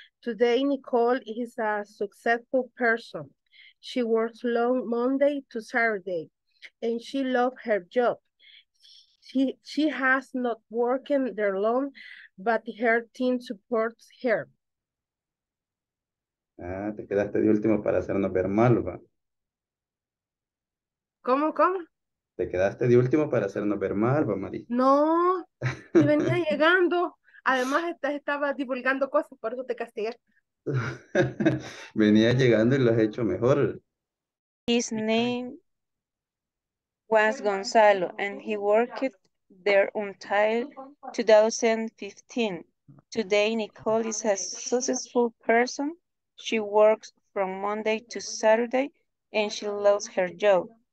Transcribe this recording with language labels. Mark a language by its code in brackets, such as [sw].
[en] Today, Nicole is a successful person. She works long Monday to Saturday, and she loves her job. She has not worked there long, but her team supports her. [es] Ah, te quedaste de último para hacernos ver mal, va. ¿Cómo? Te quedaste de último para hacernos ver mal, va, Mari. No, me venía llegando. Además, estaba divulgando cosas, por eso te castigué. Venía llegando y lo has hecho mejor. [en] His name was Gonzalo, and he worked there until 2015. Today, Nicole is a successful person. She works from Monday to Saturday, and she loves her job.